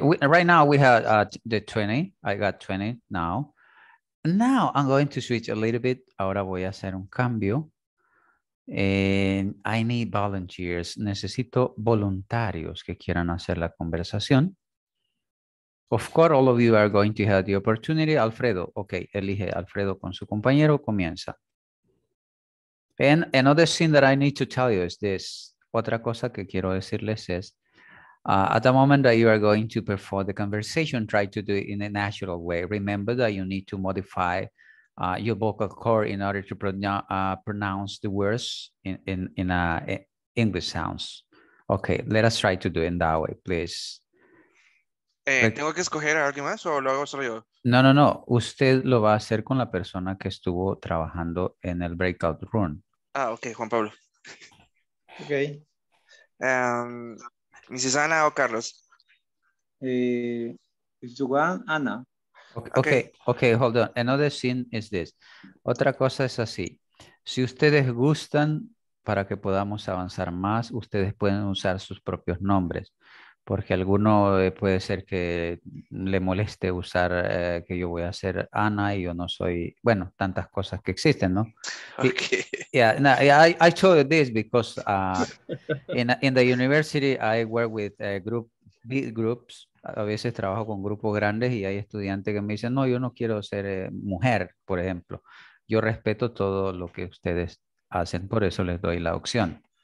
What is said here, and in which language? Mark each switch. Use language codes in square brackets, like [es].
[en] Right now we have the 20. I got 20 now. Now I'm going to switch a little bit. [es] Ahora voy a hacer un cambio. [en] And I need volunteers. [es] Necesito voluntarios que quieran hacer la conversación. [en] Of course, all of you are going to have the opportunity. [es] Alfredo, okay, elige Alfredo con su compañero, comienza. [en] And another thing that I need to tell you is this. [es] Otra cosa que quiero decirles es, [en] at the moment that you are going to perform the conversation, try to do it in a natural way. Remember that you need to modify your vocal cord in order to pronounce the words in English sounds. Okay, let us try to do it in that way, please. [es] ¿Tengo que escoger a alguien más o lo hago solo yo? No, no, no. Usted lo va a hacer con la persona que estuvo trabajando en el breakout room. Ah, ok, Juan Pablo. Ok. ¿Mrs. Ana o Carlos? Juan, Ana. [en] Okay, hold on. Another scene is this. [es] Otra cosa es así. Si ustedes gustan para que podamos avanzar más, ustedes pueden usar sus propios nombres, porque alguno puede ser que le moleste usar que yo voy a ser Ana y yo no soy, bueno, tantas cosas que existen, ¿no? Okay. [en] Yeah, I chose this because in the university I work with a group, big groups. [es] A veces trabajo con grupos grandes y hay estudiantes que me dicen, no, yo no quiero ser mujer, por ejemplo. Yo respeto todo lo que ustedes hacen, por eso les doy la opción.